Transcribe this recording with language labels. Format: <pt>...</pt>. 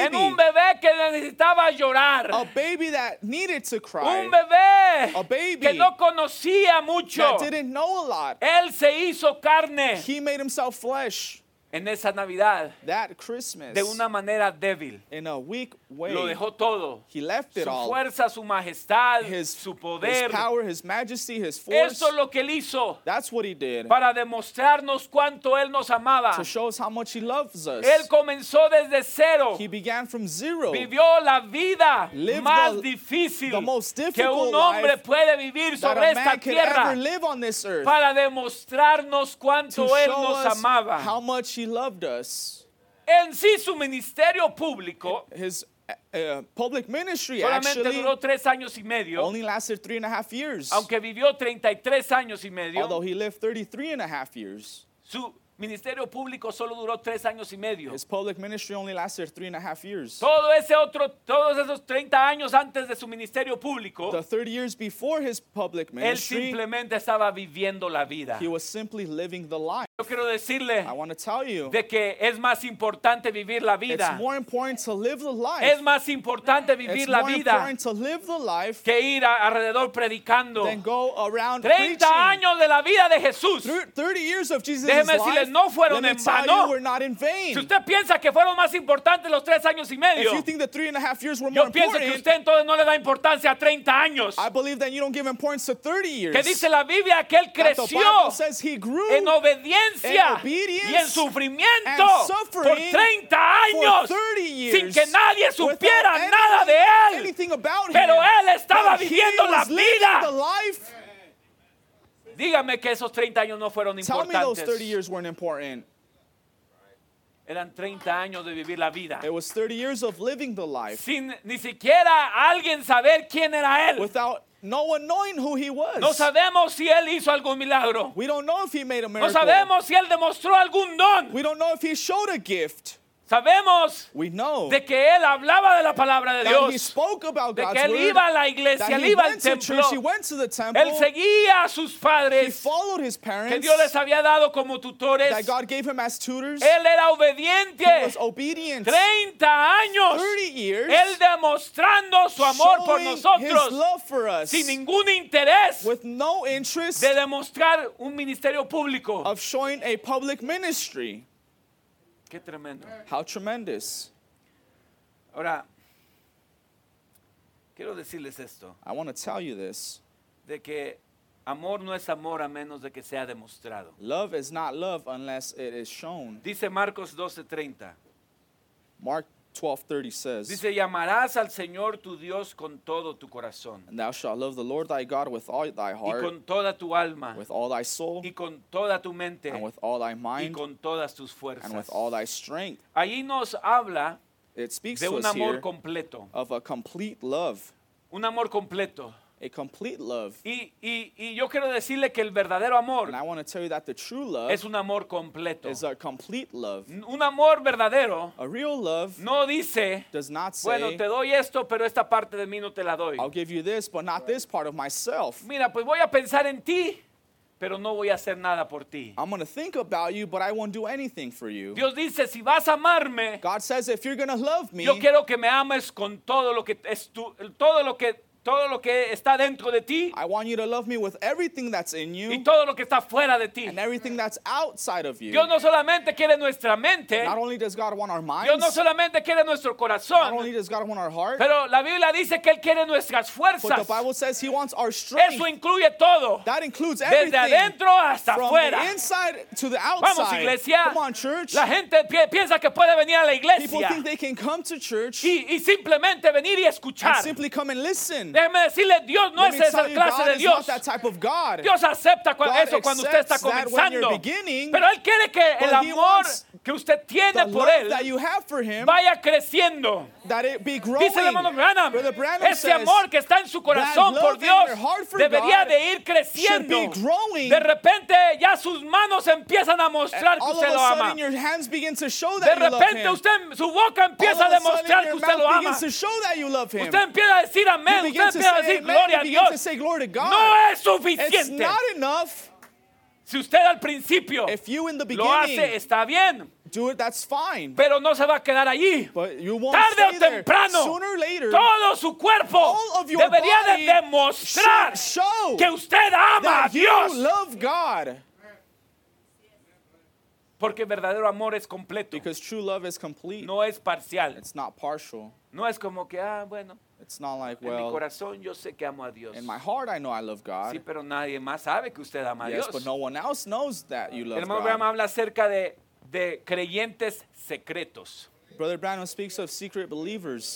<es>En un bebé que necesitaba llorar.</es> <en>A baby that needed to cry.</en> <es>Un bebé.</es> <en>A baby</en> <es>que no conocía mucho.</es> <en>That didn't know a lot.</en> <es>Él se hizo carne.</es> <en>He made himself flesh.</en> <es>En esa Navidad.</es> <en>That Christmas.</en> <es>De una manera débil.</es> <en>In a weak way.</en> <es>Lo dejó todo.</es> <en>He left it</en> <es>su</es> <en>all.</en> <es>Su fuerza, su majestad,</es> <en>his,</en> <es>su poder.</es> <en>His power, his majesty, his force.</en> <es>Eso es lo que él hizo.</es> <en>That's what he did.</en> <es>Para demostrarnos cuánto él nos amaba.</es> <en>To show us how much he loves us.</en> <es>Él comenzó desde cero.</es> <en>He began from zero.</en> <es>Vivió la vida</es> <en>lived</en> <es>más difícil</es> <en>the most difficult</en> <es>que un hombre</es> <en>life</en> <es>puede vivir sobre esta tierra.</es> <en>Ever live on this earth.</en> <es>Para demostrarnos cuánto</es> <en>to</en> <es>él nos amaba.</es> <en>How much he loved us.</en> <es>En sí, su ministerio público,</es> <en>his public ministry actually</en> <es>duró 3 años y medio,</es> <en>only lasted 3.5 years.</en> <es>Aunque vivió 33 años y medio,</es> <en>although he lived 33.5 years.</en> <es>Su ministerio público solo duró 3 años y medio.</es> <en>His public ministry only lasted 3.5 years.</en> <es>Todo ese otro, todos esos 30 años antes de su ministerio público,</es> <en>the 30 years before his public ministry,</en> <es>él simplemente estaba viviendo la vida.</es> <en>He was simply living the life.</en> <es>Yo quiero decirle,</es> <en>I want to tell you,</en> <es>de que es más importante vivir la vida.</es> <en>It's more important to live the life.</en> <es>Es más importante vivir</es> <en>it's</en> <es>la vida</es> <en>to live the life</en> <es>que ir alrededor predicando.</es> <en>Than go around 30 preaching.</en> <es>Años de la vida de Jesús.</es> <en>30 years of Jesus'</en> <es>déjeme</es> <en>life.</en> <es>No fueron en vano. Si usted piensa que fueron más importantes los 3 años y medio, yo pienso que usted entonces no le da importancia a 30 años.</es> <en>I believe that you don't give importance to 30 years.</en> <es>Que dice la Biblia que él creció en obediencia y en sufrimiento por 30 años sin que nadie supiera nada de él. Pero él estaba viviendo la vida. Dígame que esos 30 años no fueron importantes.</es> <en>Tell me those 30 years weren't important.</en> <es>Eran 30 años de vivir la vida.</es> <en>It was 30 years of living the life.</en> <es>Sin ni siquiera alguien saber quién era él.</es> <en>Without no one knowing who he was.</en> <es>No sabemos si él hizo algún milagro.</es> <en>We don't know if he made a miracle.</en> <es>No sabemos si él demostró algún don.</es> <en>We don't know if he showed a gift.</en> <es>Sabemos</es> <en>we know</en> <es>de que él hablaba de la palabra de Dios,</es> <en>he spoke about</en> <es>de</es> <en>God's</en> <es>que él</es> <en>word,</en> <es>iba a la iglesia, él iba al templo, él seguía a sus padres,</es> <en>he followed his parents,</en> <es>que Dios les había dado como tutores,</es> <en>that God gave him as tutors,</en> <es>él era obediente,</es> <en>he was obedient,</en> <es>30 años,</es> <en>30 years,</en> <es>él demostrando su amor por nosotros,</es> <en>his love for us,</en> <es>sin ningún interés,</es> <en>with no interest,</en> <es>de demostrar un ministerio público,</es> <en>of showing a public ministry.</en> <es>Qué tremendo.</es> <en>How tremendous.</en> <es>Ahora, quiero decirles esto.</es> <en>I want to tell you this.</en> <es>De que amor no es amor a menos de que sea demostrado.</es> <en>Love is not love unless it is shown.</en> <es>Dice Marcos 12:30.</es> <en>Mark 12:30 says.</en> <es>Dice, llamarás al Señor tu Dios con todo tu corazón.</es> <en>And thou shalt love the Lord thy God with all thy heart.</en> <es>Y con toda tu alma.</es> <en>With all thy soul.</en> <es>Y con toda tu mente.</es> <en>And with all thy mind.</en> <es>Y con todas tus fuerzas.</es> <en>And with all thy strength.</en> <es>Ahí nos habla</es> <en>it speaks</en> <es>de</es> <en>to</en> <es>un</es> <en>us</en> <es>amor</es> <en>here</en> <es>completo.</es> <en>Of a complete love.</en> <es>Un amor completo.</es> <en>A complete love.</en> <es>Y yo quiero decirle que el verdadero amor</es> <en>and I want to tell you that the true love</en> <es>es un amor completo.</es> <en>Is a complete love.</en> <es>Un amor verdadero</es> <en>a real love</en> <es>no dice,</es> <en>does not say,</en> <es>bueno, te doy esto, pero esta parte de mí no te la doy.</es> <en>I'll give you this, but not right this part of myself.</en> <es>Mira, pues voy a pensar en ti, pero no voy a hacer nada por ti.</es> <en>I'm going to think about you, but I won't do anything for you.</en> <es>Dios dice, si vas a amarme,</es> <en>God says, if you're going to love me,</en> <es>yo quiero que me ames con todo lo que es tu, todo lo que todo lo que está dentro de ti.</es> <en>I want you to love me with everything that's in you.</en> <es>Y todo lo que está fuera de ti.</es> <en>And everything that's outside of you.</en> <es>Dios no solamente quiere nuestra mente.</es> <en>Not only does God want our minds.</en> <es>Dios no solamente quiere nuestro corazón.</es> <en>Not only does God want our heart.</en> <es>Pero la Biblia dice que Él quiere nuestras fuerzas.</es> <en>But the Bible says He wants our strength.</en> <es>Eso incluye todo.</es> <en>That includes everything.</en> <es>Desde adentro hasta</es> <en>from</en> <es>fuera.</es> <en>From the inside to the outside.</en> <es>Vamos, iglesia.</es> <en>Come on, church.</en> <es>La gente piensa que puede venir a la iglesia.</es> <en>People think they can come to church.</en> <es>Y simplemente venir y escuchar.</es> <en>And simply come and listen.</en> <es>Déjeme decirle, Dios no es esa clase de Dios. Dios acepta eso cuando usted está comenzando. Pero Él quiere que el amor que usted tiene</es> <en>the</en> <es>por él</es> <en>that you have for him,</en> <es>vaya creciendo.</es> <en>That it be growing.</en> <es>Dice el hermano Branham,</es> <en>Branham</en> <es>ese amor que está en su corazón por Dios debería</es> <en>God</en> <es>de ir creciendo.</es> <en>Should be growing.</en> <es>De repente ya sus manos empiezan a mostrar</es> <en>all</en> <es>que usted</es> <en>of a</en> <es>lo</es> <en>sudden,</en> <es>ama.</es> <en>Your hands begin to show that</en> <es>de repente</es> <en>you love him.</en> <es>Usted, su boca empieza</es> <en>all</en> <es>a demostrar</es> <en>sudden,</en> <es>que usted lo ama.</es> <en>To show that you love him.</en> <es>Usted empieza a decir amén, usted empieza a decir gloria a Dios.</es> <en>To say glory to God.</en> <es>No es suficiente.</es> <en>It's not enough.</en> <es>Si usted al principio lo hace, está bien.</es> <en>Do it, that's fine.</en> <es>Pero no se va a quedar allí. Tarde o temprano,</es> <en>later,</en> <es>todo su cuerpo debería de demostrar que usted ama a Dios.</es> <en>Love God.</en> <es>Porque verdadero amor es completo.</es> <en>Because true love is complete.</en> <es>No es parcial.</es> <en>It's not partial.</en> <es>No es como que, ah, bueno.</es> <en>It's not like, well,</en> <es>en mi corazón yo sé que amo a Dios.</es> <en>In my heart I know I love God.</en> <es>Sí, pero nadie más sabe que usted ama a Dios.</es> <en>Yes, but no one else knows that you love God.</en> <es>El hermano Abraham habla acerca de creyentes secretos.</es> <en>Brother Branham speaks of secret believers.</en>